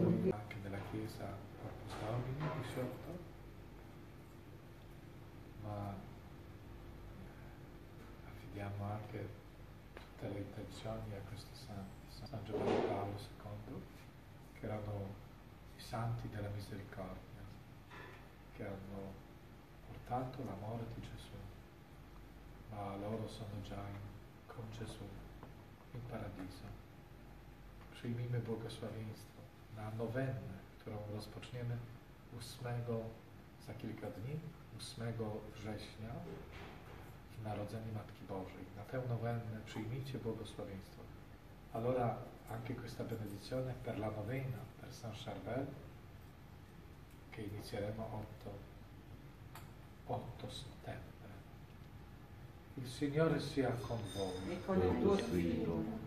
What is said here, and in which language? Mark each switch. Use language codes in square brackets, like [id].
[it] anche della Chiesa Apostolica di sotto, ma affidiamo anche tutte le intenzioni a questi santi, San Giovanni Paolo II, che erano i santi della misericordia, che hanno portato l'amore di Gesù. Ma loro sono già con Gesù in paradiso. [pl] Przyjmijmy błogosławieństwo na nowennę, którą rozpoczniemy 8 za kilka dni, 8 września, w Narodzenie Matki Bożej. Na tę nowennę przyjmijcie błogosławieństwo. [it] Allora anche questa benedizione per la novena, per Saint-Gerbert, che inizieremo 8 settembre. Il Signore sia con voi. E con il tuo spirito.